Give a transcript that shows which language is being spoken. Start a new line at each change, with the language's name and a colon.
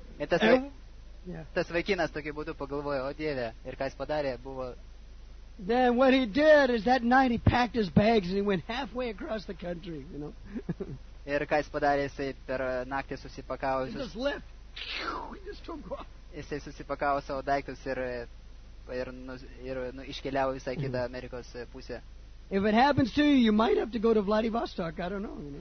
Lithuanian: Tas vaikinas tokiu būdu pagalvojo, o dieve, ir ką jis padarė, buvo.
English: Then what he did is that night he packed his bags and he went halfway across the country, you know.
Lithuanian: Ir ką jis padarė, jisai per naktį susipakavo.
English: He just left. He just took off.
Lithuanian: Jisai susipakavo savo daiktus ir iškeliavo visą kitą Amerikos pusę.
English: If it happens to you, you might have to go to Vladivostok, I don't know.